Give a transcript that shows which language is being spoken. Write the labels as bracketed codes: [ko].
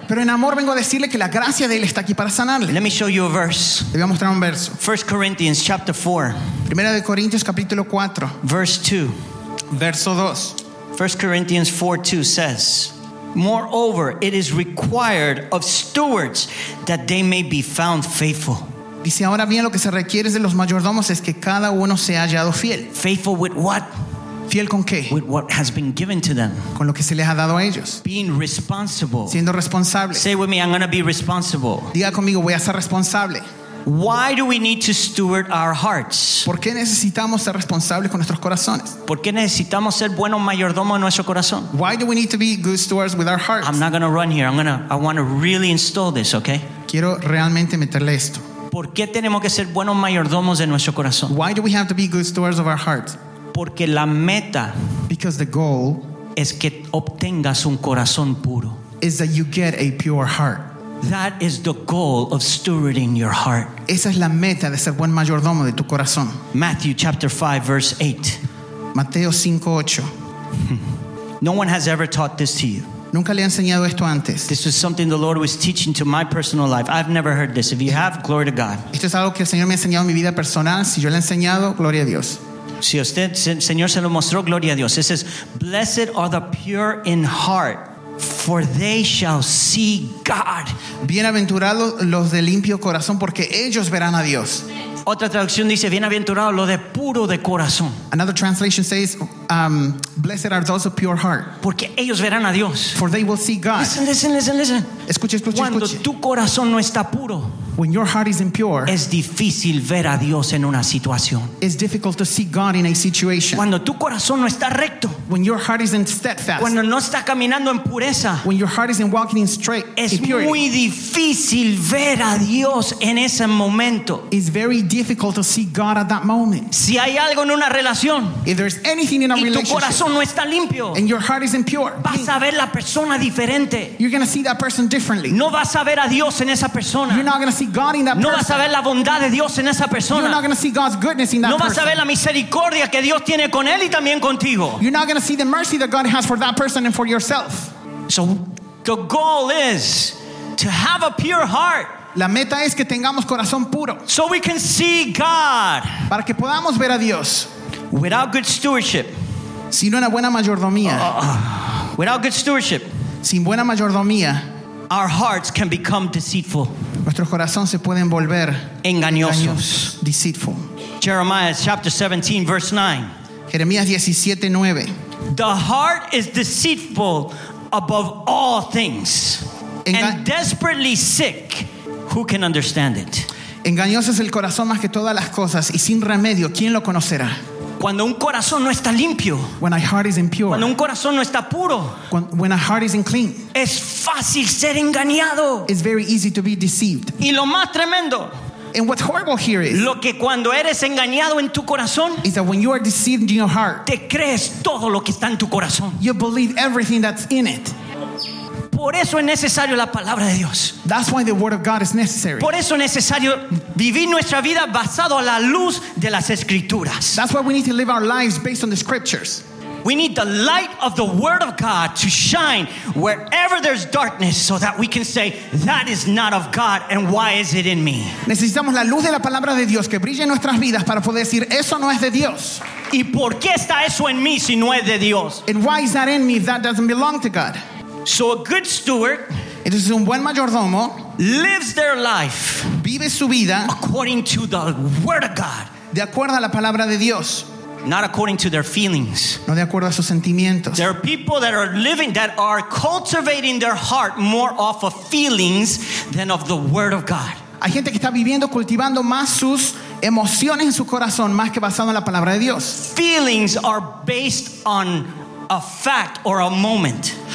[es] Pero en amor vengo a decirle que la gracia de él está aquí para sanarle. [en] Let me show you a verse. [es] Le voy a mostrar un verso. [en] 1 Corinthians chapter 4. [es] Primera de Corintios capítulo 4. [en] Verse 2. [es] Verso 2. [en] 1 Corinthians 4:2 says, moreover, it is required of stewards that they may be found faithful. [es] Dice, ahora bien, lo que se requiere de los mayordomos es que cada uno sea hallado fiel. [en] Faithful with what? [es] Fiel con qué? [en] With what has been given to them. [es] Con lo que se les ha dado a ellos. [en] Being responsible. [es] Siendo responsable. [en] Say with me, I'm going to be responsible. [es] Diga conmigo, voy a ser responsable. [en] Why do we need to steward our hearts? [es] ¿Por qué necesitamos ser responsables con nuestros corazones? ¿Por qué necesitamos ser buenos mayordomos en nuestro corazón? [en] Why do we need to be good stewards with our hearts? I'm not going to run here. I want to really install this, okay? [es] Quiero realmente meterle esto. ¿Por qué tenemos que ser buenos mayordomos de nuestro corazón? [en] Why do we have to be good stewards of our hearts? [es] Porque la meta, [en] because the goal, [es] es que obtengas un corazón puro. [en] Is that you get a pure heart. That is the goal of stewarding your heart. [es] Esa es la meta de ser buen mayordomo de tu corazón. [en] Matthew chapter 5 verse 8. [es] Mateo 5:8. [en] No one has ever taught this to you. [es] Nunca le he enseñado esto antes. [en] This is something the Lord was teaching to my personal life. I've never heard this. If you have, glory to God. [es] Esto es algo que el Señor me ha enseñado en mi vida personal. Si yo le he enseñado, gloria a Dios. Si usted, Señor se lo mostró, gloria a Dios. [en] It says, blessed are the pure in heart, for they shall see God. [es] Bienaventurados los de limpio corazón, porque ellos verán a Dios. Otra traducción dice, bienaventurados los de puro de corazón. [en] Another translation says, blessed are those of pure heart. [es] Porque ellos verán a Dios. [en] For they will see God. Listen. [es] Escuche. Cuando tu corazón no está puro, [en] when your heart is impure, [es] es difícil ver a Dios en una situación. [en] It's difficult to see God in a situation. [es] Cuando tu corazón no está recto, [en] when your heart isn't steadfast, [es] cuando no está caminando en pureza, [en] when your heart isn't walking in straight, [es] es muy difícil ver a Dios en ese momento. [en] It's very difficult to see God at that moment. [es] Si hay algo en una relación, [en] if there's anything in a relationship, [es] y tu corazón no está limpio, [en] and your heart isn't pure, [es] vas a ver la persona diferente. [en] You're going to see that person differently. [es] No vas a ver a Dios en esa persona. [en] You're not going to see God in that person. [es] No vas a ver la bondad de Dios en esa persona. [en] You're not going to see God's goodness in that [es] no [en] person. [es] No vas a ver la misericordia que Dios tiene con él y también contigo. [en] You're not going to see the mercy that God has for that person and for yourself. So the goal is to have a pure heart. [es] La meta es que tengamos corazón puro. [en] So we can see God. [es] Para que podamos ver a Dios. [en] Without good stewardship. [es] Sin una buena mayordomía. [en] Without good stewardship. [es] Sin buena mayordomía. [en] Our hearts can become deceitful. [es] Nuestro corazón se puede volver engañosos. [en] Deceitful. Jeremiah chapter 17 verse 9. [es] Jeremías 17:9. [en] The heart is deceitful above all things and desperately sick. Who can understand it? [es] Engañoso es el corazón más que todas las cosas y sin remedio, ¿quién lo conocerá? Cuando un corazón no está limpio, [en] when a heart is impure, [es] cuando un corazón no está puro, [en] when a heart is unclean, [es] es fácil ser engañado. [en] It's very easy to be deceived. [es] Y lo más tremendo, [en] and what's horrible here is, [es] lo que cuando eres engañado en tu corazón, [en] is that when you are deceived in your heart, [es] te crees todo lo que está en tu corazón. [en] You believe everything that's in it. [es] Por eso es necesario la palabra de Dios. [en] That's why the word of God is necessary. [es] Por eso es necesario vivir nuestra vida basado a la luz de las escrituras. [en] That's why we need to live our lives based on the scriptures. We need the light of the word of God to shine wherever there's darkness so that we can say that is not of God and why is it in me? [es] Necesitamos la luz de la palabra de Dios que brille en nuestras vidas para poder decir eso no es de Dios. ¿Y por qué está eso en mí si no es de Dios? [en] And why is that in me if that doesn't belong to God? So a good steward, it is [es] un buen mayordomo, [en] lives their life, [es] vive su vida, [en] according to the word of God, [es] de acuerdo a la palabra de Dios, [en] not according to their feelings, [es] no de acuerdo a sus sentimientos. [en] There are people that are living, that are cultivating their heart more off of feelings than of the word of God. [es] Hay gente que está viviendo, cultivando más sus emociones en su corazón más que basado en la palabra de Dios. [en] Feelings are based on a fact or a moment.